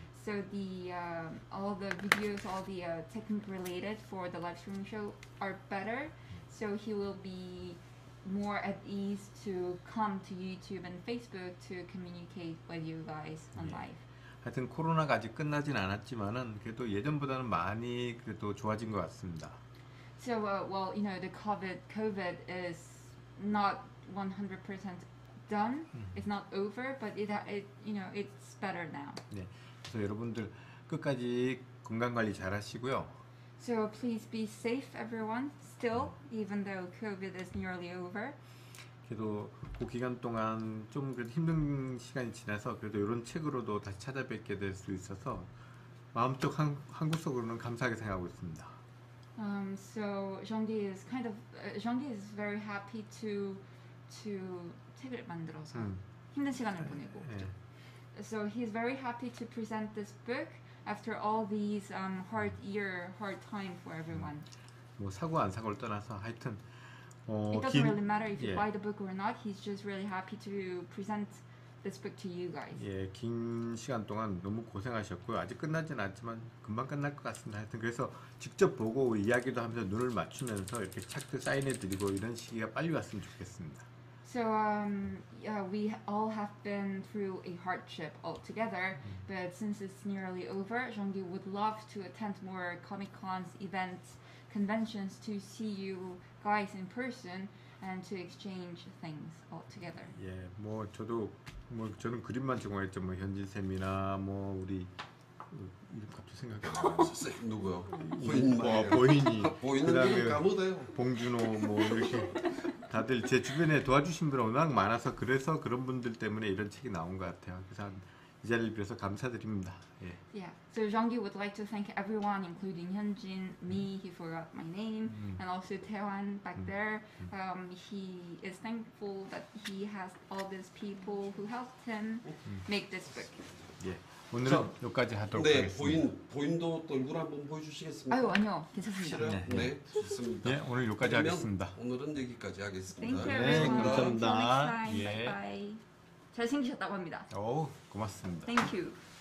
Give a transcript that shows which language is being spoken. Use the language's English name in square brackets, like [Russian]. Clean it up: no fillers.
[English] So the all the videos, all the technique related for the live streaming show are better. So he will be more at ease to come to YouTube and Facebook to communicate with you guys on live. [Korean] 하여튼 코로나가 아직 끝나진 않았지만은 그래도 예전보다는 많이 그래도 좋아진 것 같습니다. [English] So well, you know, the COVID is not 100% done. It's not over, but it you know, it's better now. [Korean] 네, 그래서 여러분들 끝까지 건강 관리 잘하시고요. [English] So please be safe, everyone. Still, even though COVID is nearly over. [Korean] 그래도 그 기간 동안 좀 그래도 힘든 시간이 지나서 그래도 이런 책으로도 다시 찾아뵙게 될 수 있어서 마음속 한국 속으로는 감사하게 생각하고 있습니다. [English] So Jeongi is kind of Jeongi is very happy to [Korean] 책을 만들어서 힘든 시간을 보내고. 네. [English] So he's very happy to present this book. After all these hard year, hard time for everyone. [Korean] 뭐 사고 안 사고를 떠나서 하여튼 [English] It doesn't really matter if you buy the book or not. He's just really happy to present this book to you guys. [Korean] 예, 긴 시간 동안 너무 고생하셨고요. 아직 끝나진 않지만 금방 끝날 것 같습니다. 하여튼 그래서 직접 보고 이야기도 하면서 눈을 맞추면서 이렇게 책도 사인해 드리고 이런 시기가 빨리 왔으면 좋겠습니다. [English] So yeah, we all have been through a hardship altogether, but since it's nearly over, Zhonggi would love to attend more Comic Cons events, conventions to see you guys in person and to exchange things altogether. Yeah, [Korean] 뭐 저도 뭐 저는 그림만 좋아했죠. 뭐 현진 쌤이나 뭐 우리 이름 갑자기 생각이 안 나요. 쌤 누구요? 보인이. 보인이. 보이는 이름 까무대요. 봉준호 뭐 이렇게. 다들 제 주변에 도와주신 분이 워낙 많아서 그래서 그런 분들 때문에 이런 책이 나온 것 같아요. 그래서 이 자리를 빌어서 감사드립니다. 예. [English] Yeah. So Zhonggi would like to thank everyone, including Hyunjin, me. He forgot my name, and also Taewon back there. He is thankful that he has all these people who helped him make this book. [Korean] 예. 오늘은 저, 여기까지 하도록 네, 하겠습니다. 네, 보인도 얼굴 한번 보여주시겠습니까? 아유, 아니요. 괜찮습니다. 네, 네, 좋습니다. 네, 오늘 여기까지 하겠습니다. 오늘은 여기까지 하겠습니다. [English] Thank you, [Korean] 네, 감사합니다. 예. [English] Bye bye. [Korean] 잘생기셨다고 합니다. 오, 고맙습니다. [English] Thank you.